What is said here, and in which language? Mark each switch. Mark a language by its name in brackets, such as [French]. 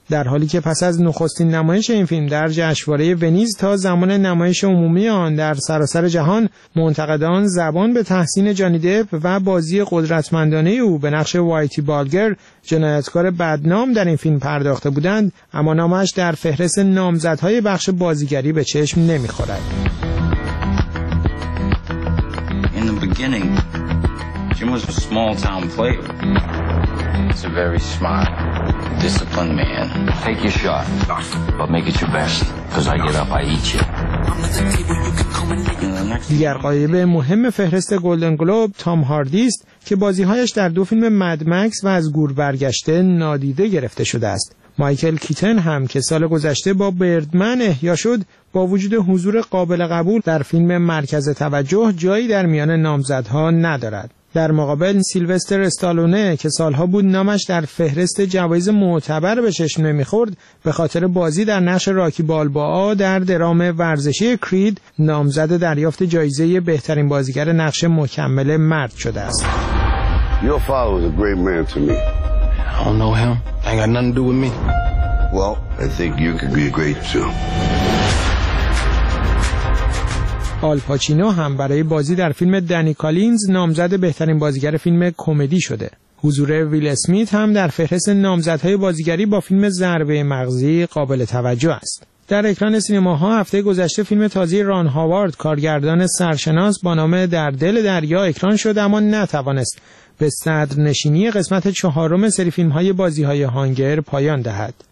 [Persian] در حالی که پس از نخستین نمایش این فیلم در جشنواره ونیز تا زمان نمایش عمومی آن در سراسر جهان، منتقدان زبان به تحسین جانی دپ و بازی قدرتمندانه او به نقش وایتی بالگر، جنایتکار بدنام در این فیلم پرداخته بودند، اما نامش در فهرست نامزدهای بخش بازیگری به چشم نمی‌خورد. [English] In the beginning, Jim was a small town player. He's a very smart, disciplined man. Take your shot, but make it your best, because I get up, I eat you. [Persian] دیگر غایب مهم فهرست گلدن گلوب تام هاردی است که بازیهایش در دو فیلم مد مکس و از گور برگشته نادیده گرفته شده است. مایکل کیتن هم که سال گذشته با بردمن احیا شد، با وجود حضور قابل قبول در فیلم مرکز توجه جایی در میان نامزدها ندارد. در مقابل سیلوستر استالونه که سالها بود نامش در فهرست جوایز معتبر به چشم نمی‌خورد، به خاطر بازی در نقش راکی بالبا در درام ورزشی کرید نامزد دریافت جایزه بهترین بازیگر نقش مکمل مرد شده است. [English] Your father was a great man to me. I don't know him. I got nothing to do with me. Well, I think you could be great too. [Persian] آل پاچینو هم برای بازی در فیلم دنی کالینز نامزد بهترین بازیگر فیلم کمدی شده. حضور ویل اسمیت هم در فهرست نامزدهای بازیگری با فیلم ضربه مغزی قابل توجه است. در اکران سینماها هفته گذشته فیلم تازه ران هاوارد کارگردان سرشناس با نام در دل دریا اکران شد، اما نتوانست به صدر نشینی قسمت چهارم سری فیلم‌های بازی‌های هانگر پایان دهد.